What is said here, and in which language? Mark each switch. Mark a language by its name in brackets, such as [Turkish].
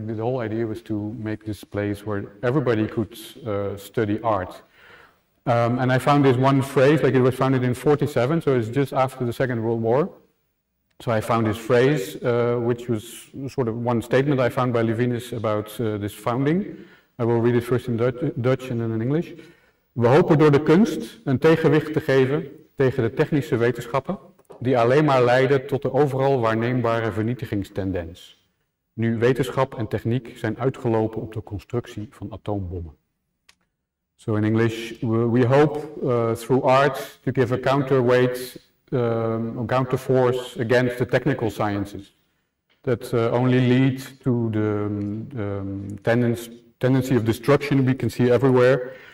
[English] Like the whole idea was to make this place where everybody could study art. And I found this one phrase, like it was founded in 47, so it's just after the Second World War. So I found this phrase, which was sort of one statement I found by Livinus about this founding. I will read it first in Dutch and then in English. [Dutch] We hopen door de kunst een tegenwicht te geven tegen de technische wetenschappen, die alleen maar leiden tot de overal waarneembare vernietigingstendens. Nu wetenschap en techniek zijn uitgelopen op de constructie van atoombommen. [English] So in English, we hope through art to give a counterweight, a counterforce against the technical sciences that only lead to the tendency of destruction we can see everywhere.